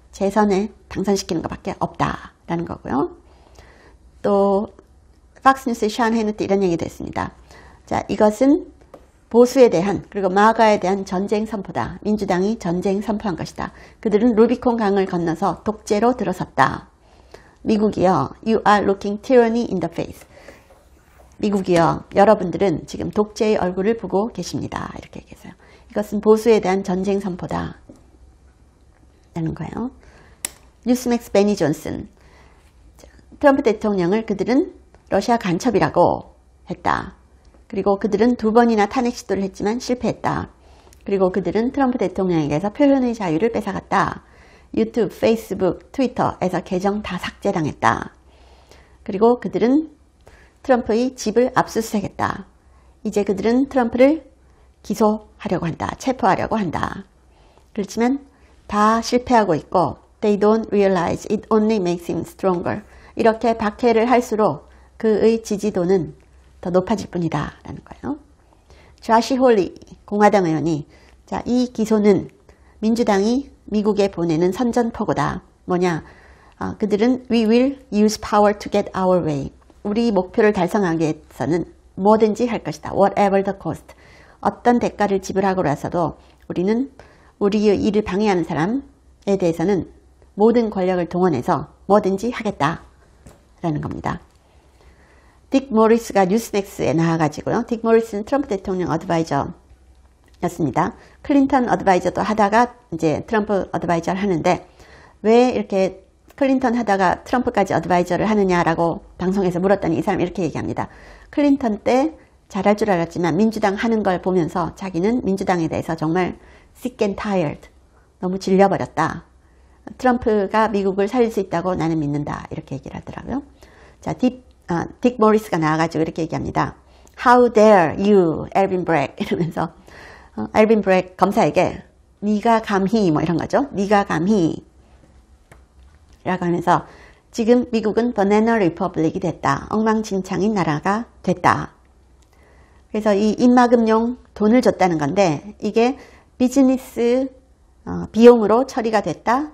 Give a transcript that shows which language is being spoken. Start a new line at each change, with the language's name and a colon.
Korean: 재선에 당선시키는 것밖에 없다라는 거고요. 또 팍스뉴스의 샨 헤너티 이런 얘기도 했습니다. 자, 이것은 보수에 대한 그리고 마가에 대한 전쟁 선포다. 민주당이 전쟁 선포한 것이다. 그들은 루비콘 강을 건너서 독재로 들어섰다. 미국이요.
English: You are looking tyranny in the face.
Korean: 미국이여, 여러분들은 지금 독재의 얼굴을 보고 계십니다. 이렇게 얘기했어요. 이것은 보수에 대한 전쟁 선포다. 라는 거예요. 뉴스맥스 베니 존슨. 트럼프 대통령을 그들은 러시아 간첩이라고 했다. 그리고 그들은 두 번이나 탄핵 시도를 했지만 실패했다. 그리고 그들은 트럼프 대통령에게서 표현의 자유를 뺏어갔다. 유튜브, 페이스북, 트위터에서 계정 다 삭제당했다. 그리고 그들은 트럼프의 집을 압수수색했다. 이제 그들은 트럼프를 기소하려고 한다. 체포하려고 한다. 그렇지만 다 실패하고 있고,
English: They don't realize it only makes him stronger.
Korean: 이렇게 박해를 할수록 그의 지지도는 더 높아질 뿐이다. 라는 거예요. 조시 홀리 공화당 의원이 자, 이 기소는 민주당이 미국에 보내는 선전포고다. 뭐냐? 그들은
English: we will use power to get our way.
Korean: 우리 목표를 달성하기 위해서는 뭐든지 할 것이다.
English: Whatever the cost.
Korean: 어떤 대가를 지불하고라서도 우리는 우리의 일을 방해하는 사람에 대해서는 모든 권력을 동원해서 뭐든지 하겠다. 라는 겁니다. 딕 모리스가 뉴스맥스에 나와가지고요. 딕 모리스는 트럼프 대통령 어드바이저였습니다. 클린턴 어드바이저도 하다가 이제 트럼프 어드바이저를 하는데 왜 이렇게 클린턴 하다가 트럼프까지 어드바이저를 하느냐라고 방송에서 물었더니 이 사람 이렇게 얘기합니다. 클린턴 때 잘할 줄 알았지만 민주당 하는 걸 보면서 자기는 민주당에 대해서 정말
English: sick and tired,
Korean: 너무 질려버렸다. 트럼프가 미국을 살릴 수 있다고 나는 믿는다. 이렇게 얘기를 하더라고요. 자, 딕 모리스가 나와가지고 이렇게 얘기합니다.
English: How dare you, 엘빈 브렉?
Korean: 이러면서 엘빈 브렉 검사에게 네가 감히 뭐 이런 거죠. 네가 감히 라고 하면서 지금 미국은 버나나 리퍼블릭이 됐다. 엉망진창인 나라가 됐다. 그래서 이 입막음용 돈을 줬다는 건데 이게 비즈니스 비용으로 처리가 됐다.